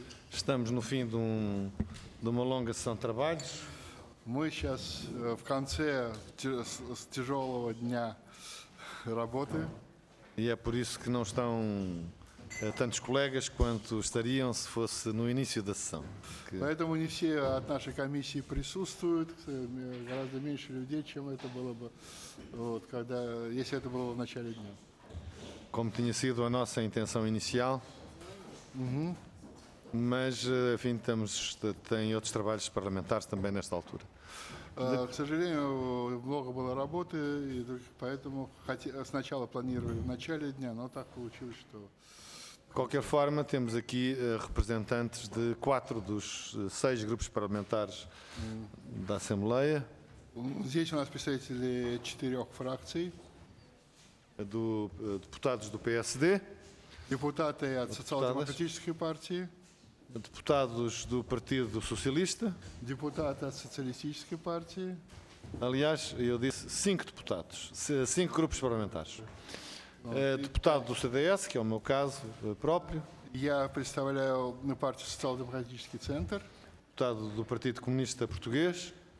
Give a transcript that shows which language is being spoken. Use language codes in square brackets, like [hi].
[pt] Estamos no fim de uma longa sessão de trabalhos. [ru] Мы сейчас в конце тяжелого дня работы. [pt] E é por isso que não estão tantos colegas quanto estariam se fosse no início da sessão. [ru] Поэтому не все от нашей комиссии присутствуют, гораздо меньше людей, чем это было бы, вот, когда, если это было в начале дня. [pt] Como tinha sido a nossa intenção inicial, mas, enfim, tem outros trabalhos parlamentares também nesta altura. [ru] К сожалению, много было работы, и поэтому сначала планировали в начале дня, но так получилось, что... [pt] De qualquer forma, temos aqui representantes de quatro dos seis grupos parlamentares da Assembleia. [ru] Здесь у нас представители четырех фракций. [pt] Deputados do PSD. [ru] Deputados от социал-демократической партии. [pt] Deputados do Partido Socialista. [ru] Deputados от социалистической партии. [pt] Aliás, eu disse cinco deputados, cinco grupos parlamentares. Deputado do CDS, que é o meu caso próprio. [ru] Я представляю на партию социал-демократический центр. [pt] Deputado do Partido Comunista Português.